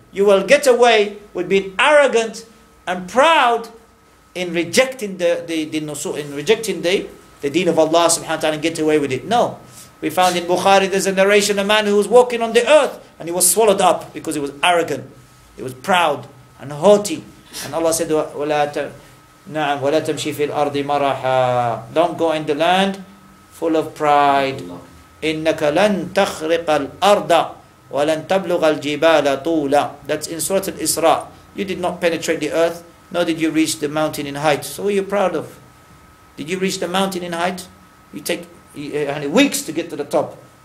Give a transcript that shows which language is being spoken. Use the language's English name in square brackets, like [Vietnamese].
[English] You will get away with being arrogant and proud in rejecting the nusu, in rejecting the deen of Allah subhanahu wa ta'ala and get away with it. No. We found in Bukhari there's a narration, a man who was walking on the earth and he was swallowed up because he was arrogant. He was proud and haughty. And Allah said, [Arabic] وَلَا تَمْشِي فِي الْأَرْضِ مَرَحًا. [English] Don't go in the land full of pride. [Arabic] إِنَّكَ لَن تَخْرِقَ الْأَرْضَ. وَلَنْ تَبْلُغَ الْجِبَالَ طُولًا. [English] That's in Surah Al-Isra. You did not penetrate the earth, nor did you reach the mountain in height. So what are you proud of? Did you reach the mountain in height? You take weeks to get to the top.